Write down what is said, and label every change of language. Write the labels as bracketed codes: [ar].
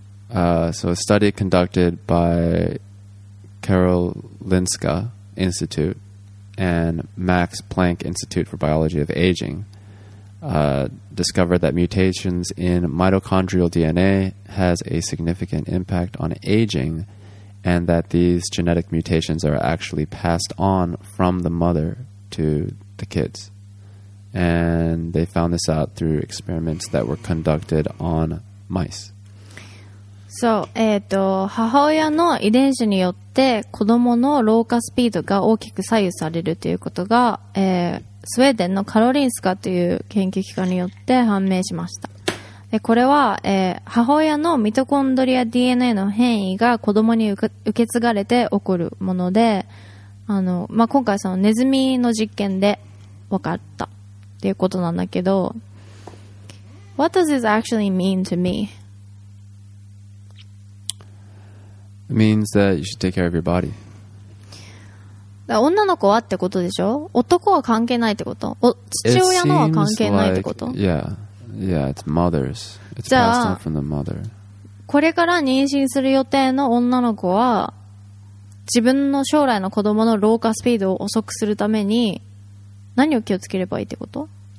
[en] So a study conducted by Karolinska Institute and Max Planck Institute for Biology of Aging discovered that mutations in mitochondrial DNA has a significant impact on aging and that these genetic mutations are actually passed on from the mother to the kids. And they found this out through experiments that were conducted on mice. [ja] So, 母親の遺伝子によって子供の老化スピードが大きく左右されるということが、スウェーデンのカロリンスカという研究機関によって判明しました。でこれは、母親のミトコンドリア DNA の変異が子供に受け継がれて起こるもので、まあ、今回そのネズミの実験で分かった。っていうことなんだけど、 [en] What does this actually mean to me? It means that you should take care of your body. [ja] 女の子はってことでしょ？男は関係ないってこと？父親のは関係ないってこと？ [en] Yeah, yeah, it's mothers. It's passed on from the mother. [ja] これから妊娠する予定の女の子は自分の将来の子供の老化スピードを遅くするために何を気をつければいいってこと？